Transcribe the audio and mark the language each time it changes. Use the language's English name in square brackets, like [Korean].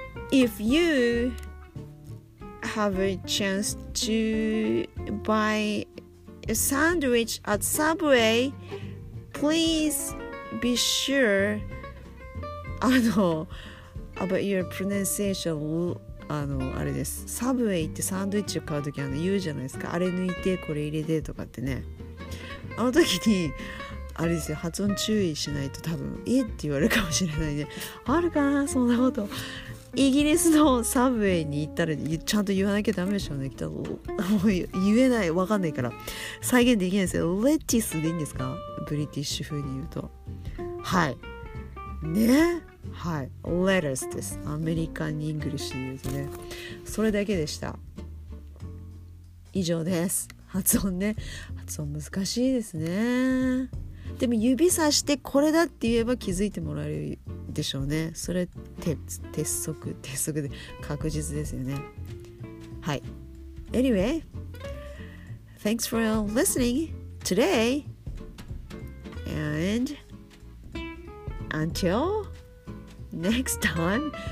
[English] If you have a chance to buy a sandwich at Subway, please be sure about your pronunciation. [Japanese] あれです、 Subway ってサンドイッチを買うとき言うじゃないですか、あれ抜いてこれ入れてとかってね。あの時にあれですよ、発音注意しないと多分えって言われるかもしれないね。あるかなそんなこと。イギリスのサブウェイに行ったらちゃんと言わなきゃダメでしょうね。もう言えない、わかんないから再現できないですよ。レティスでいいんですか、ブリティッシュ風に言うと。はいね、はい、レタスです。アメリカンイングリッシュで言うとね。それだけでした。以上です。発音ね、発音難しいですね。でも指さしてこれだって言えば気づいてもらえるでしょうね。それ鉄則、鉄則で確実ですよね。 [English] はい、 Anyway, thanks for listening today and until next time.